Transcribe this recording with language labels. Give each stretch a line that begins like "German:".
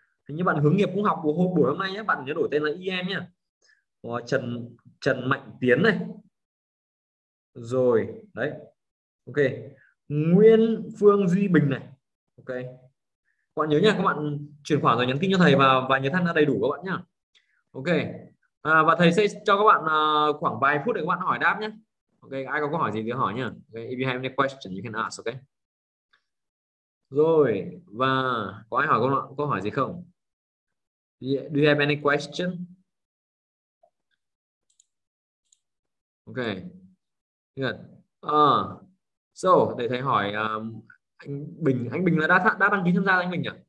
Vietnamese: Hình như bạn Hướng Nghiệp cũng học buổi hôm nay nhé, bạn nhớ đổi tên là EM nhá. Trần Mạnh Tiến này. Rồi, đấy. Ok. Nguyễn Phương Duy Bình này. Ok. Các bạn nhớ nha, các bạn chuyển khoản rồi nhắn tin cho thầy và nhớ tham gia đầy đủ các bạn nhá. Ok. À, và thầy sẽ cho các bạn khoảng vài phút để các bạn hỏi đáp nhé. Ok, ai có câu hỏi gì thì hỏi nhé.
English: Okay, if you have any question, you can ask, ok?
Vietnamese: Rồi, và có ai hỏi câu hỏi gì không? Yeah,
English: do you have any question?
Vietnamese: Ok. Good. So, để thầy hỏi anh Bình là đã đăng ký tham gia anh Bình nhỉ?